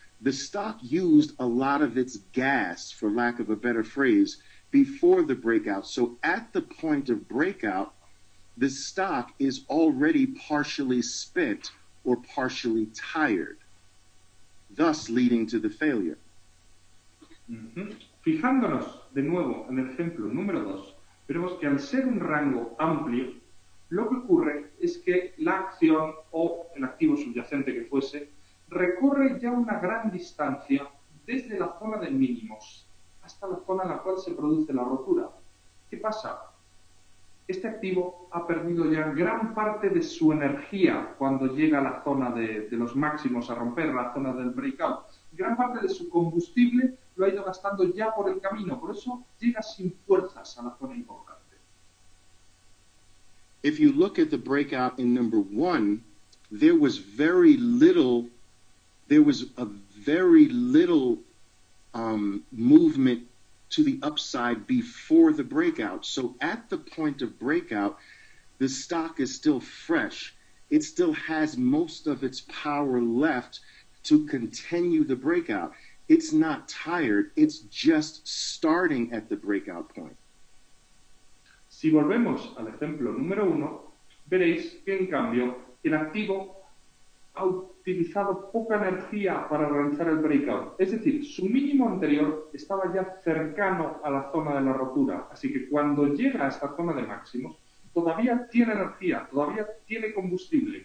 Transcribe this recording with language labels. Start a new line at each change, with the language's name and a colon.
English: The stock used a lot of its gas, for lack of a better phrase, before the breakout. So at the point of breakout, the stock is already partially spent or partially tired, thus leading to the failure. Mm-hmm.
Spanish: Fijándonos de nuevo en el ejemplo número 2, vemos que al ser un rango amplio, lo que ocurre es que la acción o el activo subyacente que fuese recorre ya una gran distancia desde la zona de mínimos hasta la zona en la cual se produce la rotura. ¿Qué pasa? Este activo ha perdido ya gran parte de su energía cuando llega a la zona de los máximos a romper, la zona del breakout. Gran parte de su combustible lo ha ido gastando ya por el camino, por eso llega sin fuerzas a la zona importante.
English: If you look at the breakout in number one, there was very little, there was a very little movement to the upside before the breakout. So at the point of breakout, the stock is still fresh. It still has most of its power left to continue the breakout. It's not tired, it's just starting at the breakout point.
Spanish: Si volvemos al ejemplo número uno, veréis que en cambio el activo ha utilizado poca energía para realizar el breakout. Es decir, su mínimo anterior estaba ya cercano a la zona de la rotura. Así que cuando llega a esta zona de máximos, todavía tiene energía, todavía tiene combustible.